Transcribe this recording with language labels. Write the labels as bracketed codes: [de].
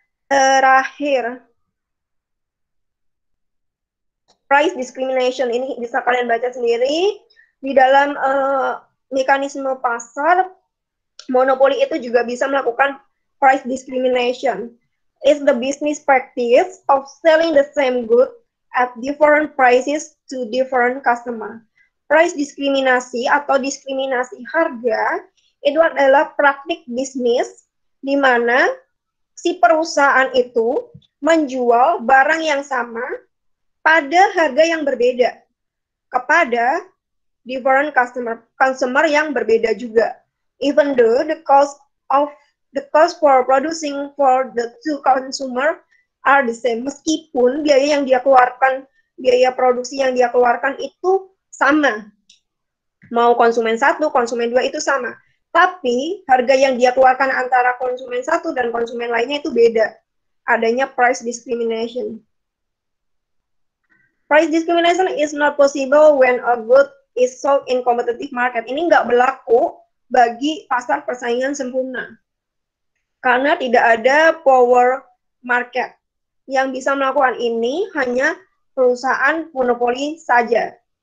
[id] Terakhir, price discrimination. Ini bisa kalian baca sendiri. Di dalam mekanisme pasar, monopoli itu juga bisa melakukan price discrimination. [en] It's the business practice of selling the same good at different prices to different customer. [id] Price diskriminasi atau diskriminasi harga itu adalah praktik bisnis di mana si perusahaan itu menjual barang yang sama pada harga yang berbeda kepada [en] different customer, [id] consumer yang berbeda juga. [en] Even though the cost for producing for the two consumer are the same, [id] meskipun biaya yang dia keluarkan, biaya produksi yang dia keluarkan itu sama, mau konsumen satu, konsumen dua itu sama, tapi harga yang dia keluarkan antara konsumen satu dan konsumen lainnya itu beda, adanya price discrimination. [en] Price discrimination is not possible when a good is sold in competitive market. [id] Ini nggak berlaku bagi pasar persaingan sempurna, karena tidak ada power market yang bisa melakukan ini, hanya perusahaan monopoli saja.